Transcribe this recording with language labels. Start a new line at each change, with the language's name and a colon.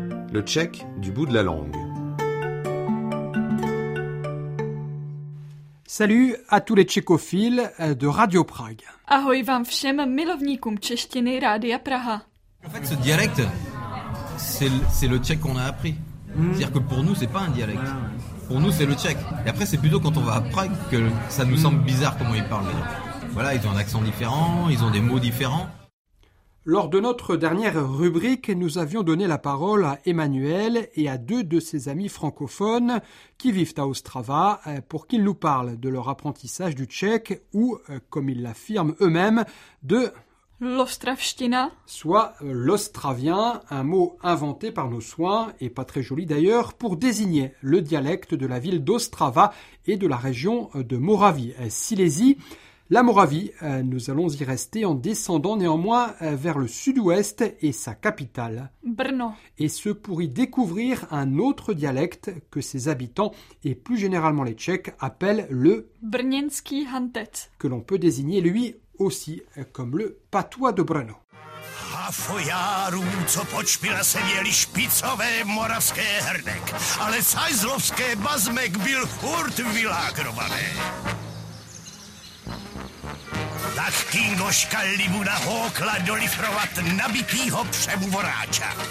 French: Le Tchèque du bout de la langue. Salut à tous les tchécophiles de Radio Prague.
Czech: Ahoj vám všem milovníkům češtiny Rádia Praha.
French: En fait, ce dialecte, c'est le tchèque qu'on a appris. C'est-à-dire que pour nous, c'est pas un dialecte. Pour nous, c'est le tchèque. Et après, c'est plutôt quand on va à Prague que ça nous semble bizarre comment ils parlent. Voilà, ils ont un accent différent, ils ont des mots différents. Lors de notre dernière rubrique, nous avions donné la parole à Emmanuel et à deux de ses amis francophones qui vivent à Ostrava pour qu'ils nous parlent de leur apprentissage du tchèque ou, comme ils l'affirment eux-mêmes, de
Czech: l'ostravština,
French: soit l'ostravien, un mot inventé par nos soins et pas très joli d'ailleurs, pour désigner le dialecte de la ville d'Ostrava et de la région de Moravie-Silésie. La Moravie, nous allons y rester en descendant néanmoins vers le sud-ouest et sa capitale, Brno. Et ce pour y découvrir un autre dialecte que ses habitants, et plus généralement les Tchèques, appellent le
Czech: Brněnský hantec,
French: que l'on peut désigner lui aussi comme le patois de Brno.
Czech: A fojárů, co počpila se měli špicové moravské hrnek, ale sajzlovské bazmek byl furt vylágrovaný. Tak kingoška libu nahokla do lifrovat nabitýho přebuvoráča.